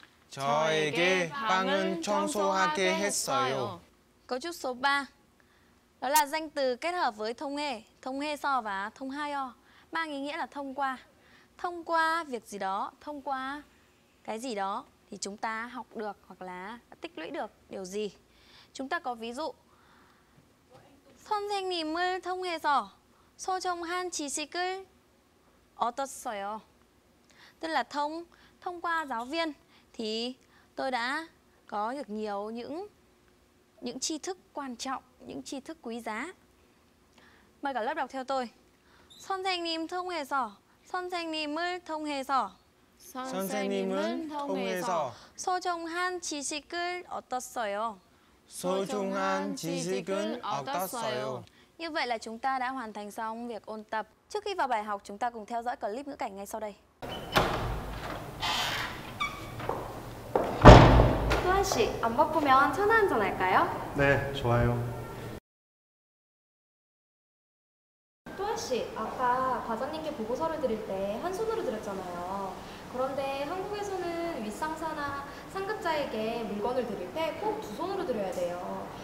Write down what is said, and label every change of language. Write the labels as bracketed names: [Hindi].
[Korean] 저에게 방은 청소하게 했어요. [Vietnamese] Câu trúc số 3. Đó là danh từ kết hợp với 통해, 통해서 và 통하여 mang ý nghĩa là thông qua. Thông qua việc gì đó, thông qua cái gì đó thì chúng ta học được hoặc là tích lũy được điều gì. Chúng ta có ví dụ [Korean] 선생님을 통해서 소중한 지식을 얻었어요. [Vietnamese] Tức là thông qua giáo viên thì tôi đã có được nhiều những tri thức quan trọng, những tri thức quý giá. Mời cả lớp đọc theo tôi. [Korean] 선생님 통해서 선생님을 통해서 선생님을 통해서 소중한 지식을 얻었어요. 소중한 지식은 얻었어요. [Vietnamese] Như vậy là chúng ta đã hoàn thành xong việc ôn tập. Trước khi vào bài học, chúng ta cùng theo dõi clip ngữ cảnh ngay sau đây. [Korean] 수환 씨, 안 바쁘면 차나 한잔 할까요? 네, 좋아요. 수환 씨, 아까 과장님께 보고서를 드릴 때 한 손으로 드렸잖아요. 그런데 한국에서는 윗상사나 상급자에게 물건을 드릴 때 꼭 두 손으로 드려야 돼요.